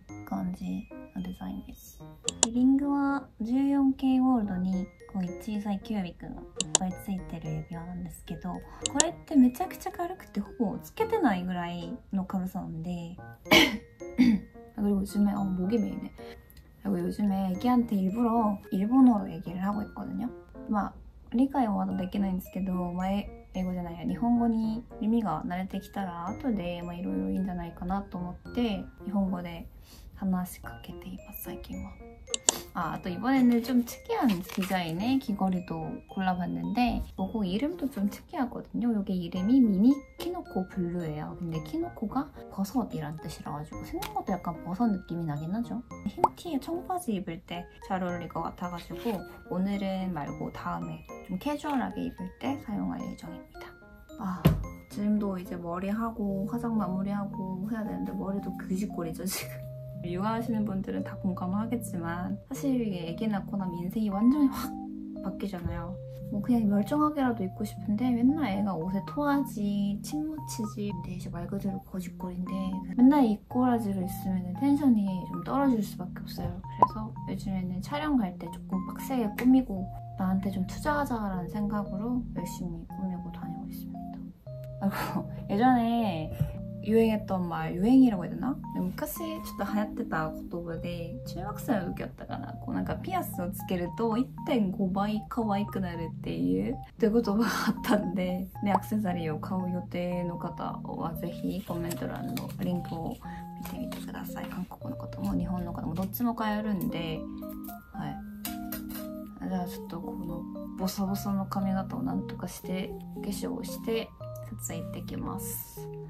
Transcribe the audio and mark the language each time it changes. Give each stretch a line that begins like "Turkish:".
Japanese: パールがついてる花形のピアスなんですけど、前いただいたのもほぼ同じ感じのデザインです。リングは14K ゴールドに小さいキュービックのいっぱいついてる指輪なんですけど、これってめちゃくちゃ軽くてほぼつけてないぐらいの軽さなんで。
Korean: 그리고 요즘에 목이 메이네. 그리고 요즘에 애기한테 일부러 일본어로 얘기를 하고 있거든요. 막 이해가 와도 되긴
Japanese: ないんですけど 英語じゃないや日本語に耳が慣れてきたら後でまあいろいろいいんじゃないかなと思って日本語で話しかけています最近は。
Korean: 아, 또 이번에는 좀 특이한 디자인의 귀걸이도 골라봤는데 이거 이름도 좀 특이하거든요. 이게 이름이 미니 키노코 블루예요. 근데 키노코가 버섯이란 뜻이라가지고 생긴 것도 약간 버섯 느낌이 나긴 하죠. 흰 티에 청바지 입을 때 잘 어울릴 것 같아가지고 오늘은 말고 다음에 좀 캐주얼하게 입을 때 사용할 예정입니다. 아, 지금도 이제 머리하고 화장 마무리하고 해야 되는데 머리도 그지꼴이죠 지금. 육아하시는 분들은 다 공감하겠지만 사실 이게 애기 낳고 나면 인생이 완전히 확 바뀌잖아요. 뭐 그냥 멀쩡하게라도 입고 싶은데 맨날 애가 옷에 토하지, 침 묻히지. 근데 이제 말 그대로 거짓골인데 맨날 이꼬라지로 있으면 텐션이 좀 떨어질 수밖에 없어요. 그래서 요즘에는 촬영 갈 때 조금 빡세게 꾸미고 나한테 좀 투자하자라는 생각으로 열심히 꾸미고 다니고 있습니다. 예전에 유행했던 말, 유행이라고 해야 되나?
Japanese: 昔ちょっと流行ってた言葉で 中学生の時あったかな。こうなんかピアスをつけると1.5倍可愛くなるっていうって言葉があったんで、 ね、 アクセサリーを買う予定の方はぜひコメント欄のリンクを見てみてください。韓国の方も日本の方もどっちも買えるんで、はい。じゃあちょっとこのボサボサの髪型をなんとかして化粧をして撮影行ってきます。